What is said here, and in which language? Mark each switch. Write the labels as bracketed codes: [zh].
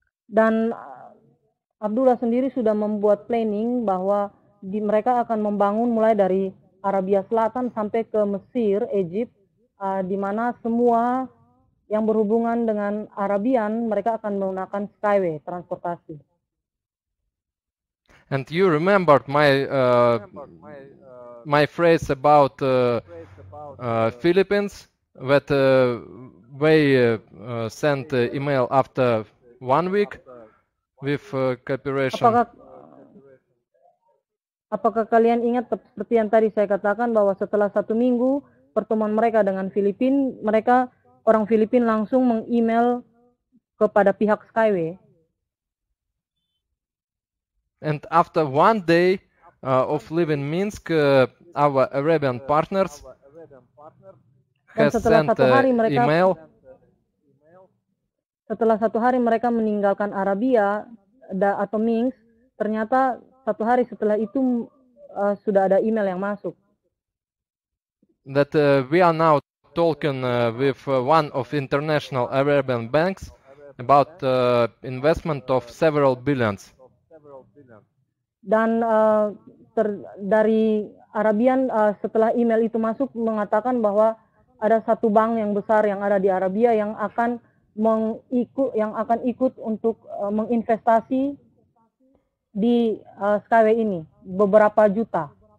[id] Dan Abdullah sendiri sudah membuat planning bahwa mereka akan membangun mulai dari Arabia Selatan sampai ke Mesir, Egypt, di mana semua yang berhubungan dengan Arabian mereka akan menggunakan skyway transportasi. [en] And you remembered my phrase about Philippines that they sent email after 1 week with cooperation. [id] Apakah kalian ingat seperti yang tadi saya katakan bahwa setelah satu minggu pertemuan mereka dengan Filipin, mereka orang Filipin langsung meng-email kepada pihak Skyway. [en] And after one day of living Minsk, our Arabian partners has sent email. [id] Setelah satu hari mereka meninggalkan Arabia atau Minsk, ternyata satu hari setelah itu sudah ada email yang masuk. [en] That we are now talking with one of international Arabian banks about investment of several billions. [id] Dan dari Arabian setelah email itu masuk mengatakan bahwa ada satu bank yang besar yang ada di Arabia yang akan ikut untuk menginvestasi di Skyway ini beberapa juta.